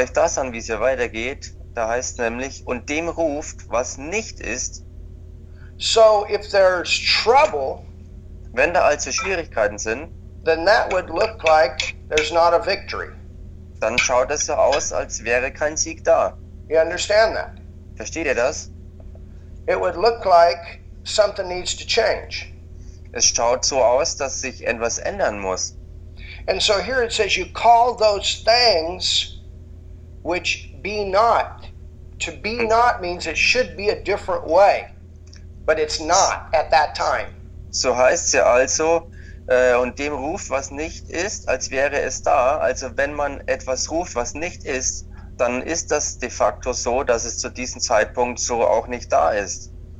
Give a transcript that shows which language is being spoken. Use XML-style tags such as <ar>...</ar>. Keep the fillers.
<de>euch das an, wie es hier weitergeht. Da heißt nämlich, und dem ruft, was nicht ist.</de> <en>So trouble,</en> <de>wenn da also Schwierigkeiten sind,</de> <en>then that would look like there's not a victory.</en> <de>Dann schaut es so aus, als wäre kein Sieg da.</de> <en>You understand that?</en> <de>Versteht ihr das?</de> <en>It would look like something needs to change.</en> <de>Es schaut so aus, dass sich etwas ändern muss.</de> <en>And so here it says, you call those things which be not. To be not means it should be a different way, but it's not at that time.</en> <de>So heißt es also, und dem ruft, was nicht ist, als wäre es da. Also wenn man etwas ruft, was nicht ist, dann ist das de facto so, dass es zu diesem Zeitpunkt so auch nicht da ist.</de>